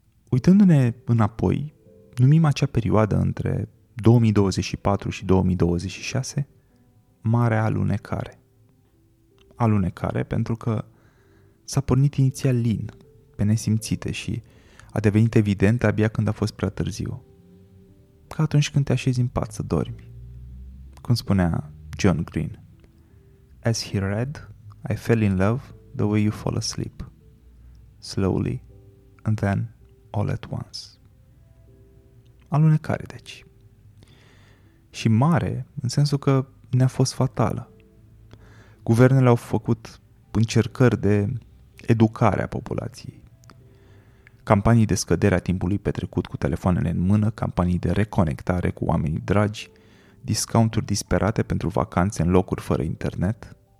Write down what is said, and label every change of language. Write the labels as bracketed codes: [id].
[ro] Uitându-ne înapoi, numim acea perioadă între 2024 și 2026 Marea Alunecare. Alunecare pentru că s-a pornit inițial lin, pe nesimțite și a devenit evident abia când a fost prea târziu. Ca atunci când te așezi în pat să dormi. Cum spunea John Green, [en] As he read, I fell in love the way you fall asleep. Slowly, and then, all at once. [ro] Alunecare, deci. Și mare, în sensul că ne-a fost fatală. Guvernele au făcut încercări de educare a populației. Campanii de scădere a timpului petrecut cu telefoanele în mână, campanii de reconectare cu oamenii dragi, discounturi disperate pentru vacanțe în locuri fără internet.